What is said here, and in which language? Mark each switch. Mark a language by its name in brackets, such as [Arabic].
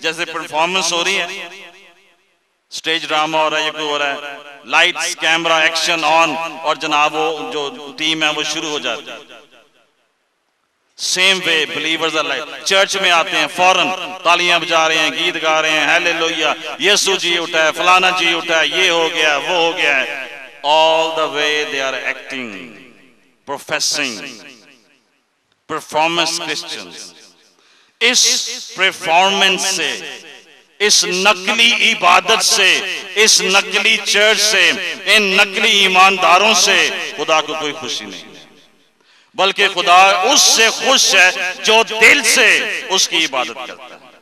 [Hindi] जैसे परफॉर्मेंस हो रही है, स्टेज ड्रामा हो रहा है, ये हो रहा है, लाइट्स कैमरा एक्शन ऑन, और जनाब वो जो टीम है वो शुरू हो जाती है। [English] same way believers are like, [Hindi] church में आते हैं फौरन तालियां बजा रहे हैं, गीत गा रहे हैं, हालेलुया, यीशु जी उठा है, फलाना जी उठा है, ये हो गया, वो हो गया है। [English] All the way they are acting, professing, performance Christians. [Hindi] इस performance से, इस नकली इबादत से, इस नकली चर्च से, इन नकली ईमानदारों से खुदा को कोई खुशी नहीं, बल्कि खुदा उससे खुश है जो दिल से उसकी इबादत करता है।